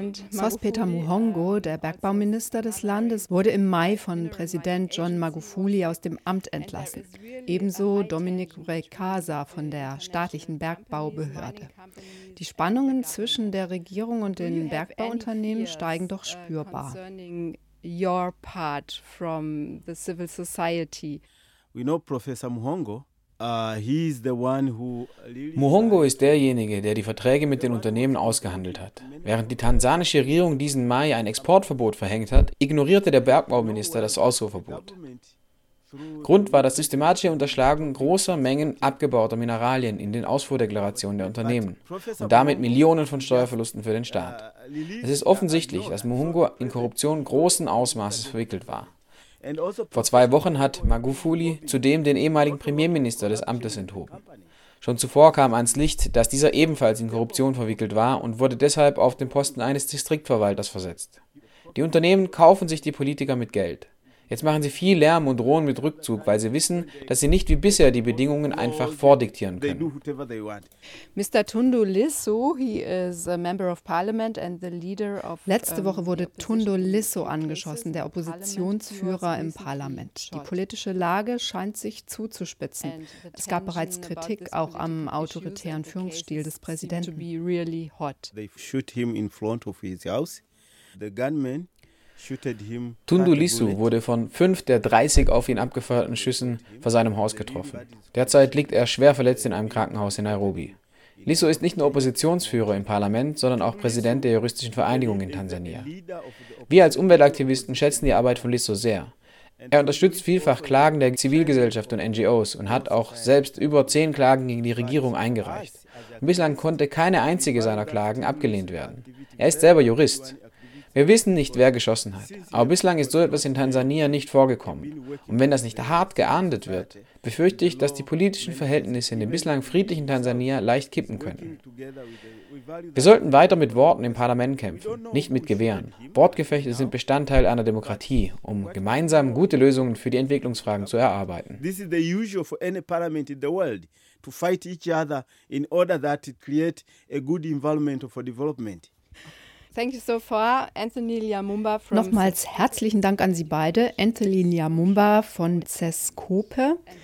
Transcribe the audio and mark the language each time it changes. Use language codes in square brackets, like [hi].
[de] Sospeter Muhongo, der Bergbauminister des Landes, wurde im Mai von Präsident John Magufuli aus dem Amt entlassen. Ebenso Dominic Rekasa von der staatlichen Bergbaubehörde. Die Spannungen zwischen der Regierung und den Bergbauunternehmen steigen doch spürbar. [en] Your part from the civil society. We know Professor Muhongo. [de] Muhongo ist derjenige, der die Verträge mit den Unternehmen ausgehandelt hat. Während die tansanische Regierung diesen Mai ein Exportverbot verhängt hat, ignorierte der Bergbauminister das Ausfuhrverbot. Grund war das systematische Unterschlagen großer Mengen abgebauter Mineralien in den Ausfuhrdeklarationen der Unternehmen und damit Millionen von Steuerverlusten für den Staat. Es ist offensichtlich, dass Muhongo in Korruption großen Ausmaßes verwickelt war. Vor zwei Wochen hat Magufuli zudem den ehemaligen Premierminister des Amtes enthoben. Schon zuvor kam ans Licht, dass dieser ebenfalls in Korruption verwickelt war und wurde deshalb auf den Posten eines Distriktverwalters versetzt. Die Unternehmen kaufen sich die Politiker mit Geld. Jetzt machen sie viel Lärm und drohen mit Rückzug, weil sie wissen, dass sie nicht wie bisher die Bedingungen einfach vordiktieren können. [en] Mr. Tundu Lissu, he is a member of parliament and the leader of. [de] Letzte Woche wurde Tundu Lissu angeschossen, der Oppositionsführer im Parlament. Die politische Lage scheint sich zuzuspitzen. Es gab bereits Kritik auch am autoritären Führungsstil des Präsidenten. [en] Really hot. They shoot him in front of his house. The gunman. [de] Tundu Lissu wurde von 5 der 30 auf ihn abgefeuerten Schüssen vor seinem Haus getroffen. Derzeit liegt er schwer verletzt in einem Krankenhaus in Nairobi. Lissu ist nicht nur Oppositionsführer im Parlament, sondern auch Präsident der juristischen Vereinigung in Tansania. Wir als Umweltaktivisten schätzen die Arbeit von Lissu sehr. Er unterstützt vielfach Klagen der Zivilgesellschaft und NGOs und hat auch selbst über 10 Klagen gegen die Regierung eingereicht. Und bislang konnte keine einzige seiner Klagen abgelehnt werden. Er ist selber Jurist. Wir wissen nicht, wer geschossen hat, aber bislang ist so etwas in Tansania nicht vorgekommen. Und wenn das nicht hart geahndet wird, befürchte ich, dass die politischen Verhältnisse in dem bislang friedlichen Tansania leicht kippen könnten. Wir sollten weiter mit Worten im Parlament kämpfen, nicht mit Gewehren. Wortgefechte sind Bestandteil einer Demokratie, um gemeinsam gute Lösungen für die Entwicklungsfragen zu erarbeiten. [en] This is the usual for any parliament in the world to fight each other in order that it create a good environment for development. Thank you so far, Anthony Liamumba from. [de] Nochmals herzlichen Dank an Sie beide, Anthony Liamumba von CESCOPE.